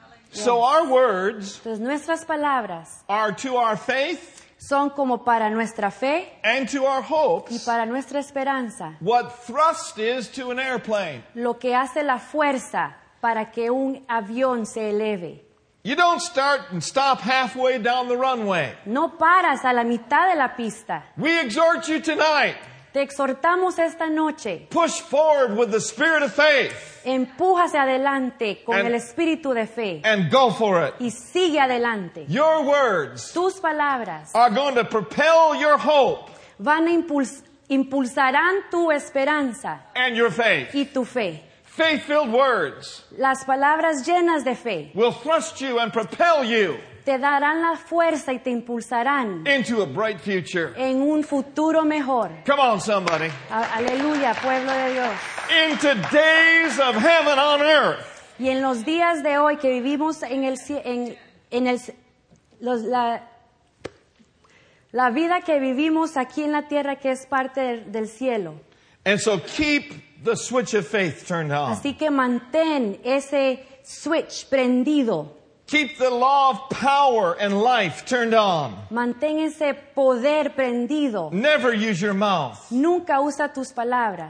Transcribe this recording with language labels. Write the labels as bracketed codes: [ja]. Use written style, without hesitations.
[en] So yes. Our words, [es] entonces nuestras palabras, [en] are to our faith, [es] son como para nuestra fe, [en] and to our hopes, [es] y para nuestra esperanza, [en] what thrust is to an airplane, [es] lo que hace la fuerza para que un avión se eleve. [en] You don't start and stop halfway down the runway. [es] No paras a la mitad de la pista. [en] We exhort you tonight. [es] Te exhortamos esta noche. [en] Push forward with the spirit of faith. [es] Empújase adelante con el espíritu de fe. [en] And go for it. [es] Y sigue adelante. [en] Your words. [es] Tus palabras. [en] Are going to propel your hope. [es] Van a impulsarán tu esperanza. [en] And your faith. [es] Y tu fe. [en] Faith-filled words. [es] Las palabras llenas de fe. [en] Will thrust you and propel you. [es] Te darán la fuerza y te impulsarán. [en] Into a bright future. [es] En un futuro mejor. [en] Come on, somebody. [es] Aleluya, pueblo de Dios. [en] Into days of heaven on earth. [es] Y en los días de hoy que vivimos en el la vida que vivimos aquí en la tierra que es parte del cielo. [en] And so keep the switch of faith turned on. [es] Así que mantén ese switch prendido. [en] Keep the law of power and life turned on. [es] Mantén ese poder prendido. [en] Never use your mouth. [es] Nunca usa tus palabras.